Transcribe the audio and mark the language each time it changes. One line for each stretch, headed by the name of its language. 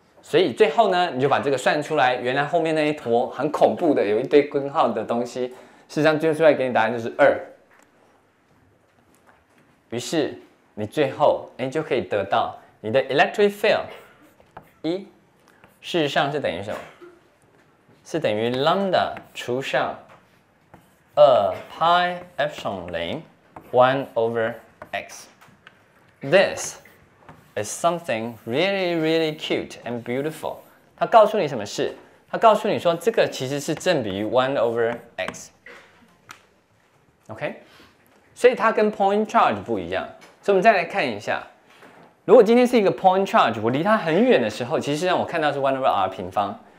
Chinese: 所以最后呢，你就把这个算出来，原来后面那一坨很恐怖的，有一堆根号的东西，事实上最后出来给你答案就是二。于是你最后哎就可以得到你的 electric field 一，事实上是等于什么？是等于 lambda 除上二 pi epsilon 零 one over x。
English: This is something really, really cute and beautiful.
Chinese: 它告诉你什么事？它告诉你说这个其实是正比于 one over x. OK， 所以它跟 point charge 不一样。所以我们再来看一下，如果今天是一个 point charge， 我离它很远的时候，其实让我看到是 one over r 平方。